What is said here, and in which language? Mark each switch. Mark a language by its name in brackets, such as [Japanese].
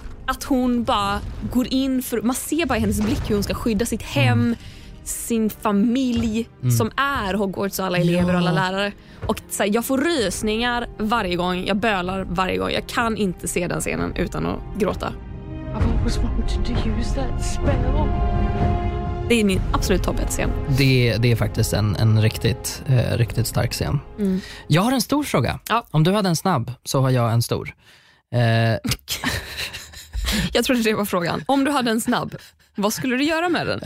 [Swedish] Att hon bara går in för... Man ser bara i hennes blick hur hon ska skydda sitt hem, sin familj, som är Hogwarts och alla elever och alla lärare. Och så här, jag får rysningar varje gång. Jag bölar varje gång. Jag kan inte se den scenen utan att gråta. [English] I've always wanted to use that spell. [Swedish] Det är min absolut topp 1-scen. Det är faktiskt en riktigt, riktigt stark scen. Mm. Jag har en stor fråga. Ja. Om du hade en snabb så har jag en stor. Jag trodde det var frågan. Om du hade en snabb, vad skulle du göra med den?